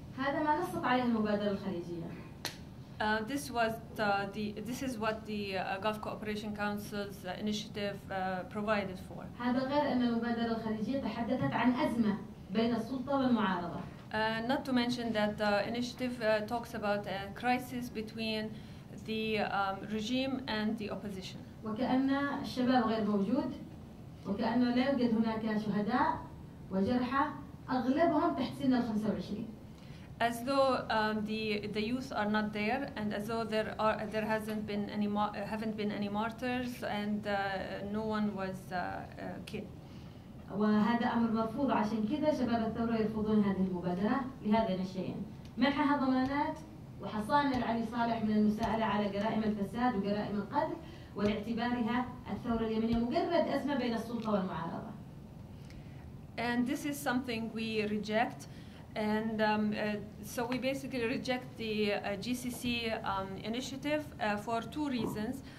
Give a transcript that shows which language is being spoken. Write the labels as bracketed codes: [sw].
[ar] هذا ما نصت عليه المبادرة الخليجية. [en] This was this is what the Gulf Cooperation Council's initiative provided for. [ar] هذا غير أن المبادرة الخليجية تحدثت عن أزمة بين السلطة والمعارضة. [en] Not to mention that the initiative talks about a crisis between the regime and the opposition. [ar] وكأن الشباب غير موجود وكأنه لا يوجد هناك شهداء وجرحى أغلبهم تحت سن 25. [en] As though the youth are not there and as though there hasn't been any haven't been any martyrs and no one was killed. [ar] وهذا أمر مرفوض عشان كذا شباب الثورة يرفضون هذه المبادرة لهذا الشيئين منحها ضمانات وحصان العلي صالح من المساءلة على جرائم الفساد وجرائم القتل والاعتبارها الثورة اليمنية مجرد أزمة بين السلطة والمعارضة. [en] And this is something we reject. And so we basically reject the GCC initiative for two reasons.